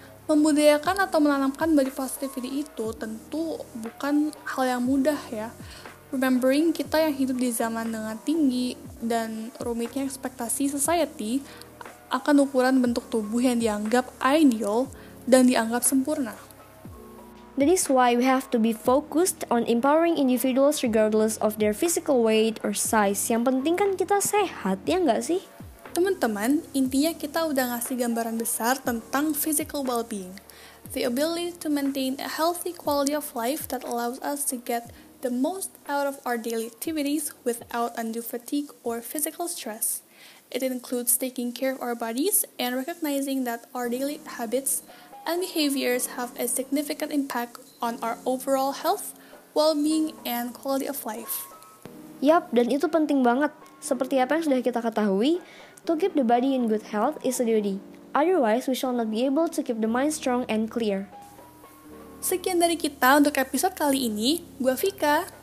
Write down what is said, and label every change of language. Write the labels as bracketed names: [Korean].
[Indonesian] Membudayakan atau menanamkan body positivity itu tentu bukan hal yang mudah ya. Remembering kita yang hidup di zaman dengan tinggi dan rumitnya ekspektasi society akan ukuran bentuk tubuh yang dianggap ideal dan dianggap sempurna. [English] That is why we have to be focused on empowering individuals regardless of their physical weight or size. [Indonesian] Yang penting kan kita sehat, ya nggak sih? Teman-teman, intinya kita udah ngasih gambaran besar tentang physical well-being. [English] The ability to maintain a healthy quality of life that allows us to get the most out of our daily activities without undue fatigue or physical stress. It includes taking care of our bodies and recognizing that our daily habits and behaviors have a significant impact on our overall health, well-being, and quality of life. [Indonesian] Yap, dan itu penting banget. Seperti apa yang sudah kita ketahui, [English] to keep the body in good health is a duty. Otherwise, we shall not be able to keep the mind strong and clear. [Indonesian] Sekian dari kita untuk episode kali ini. Gua Vika.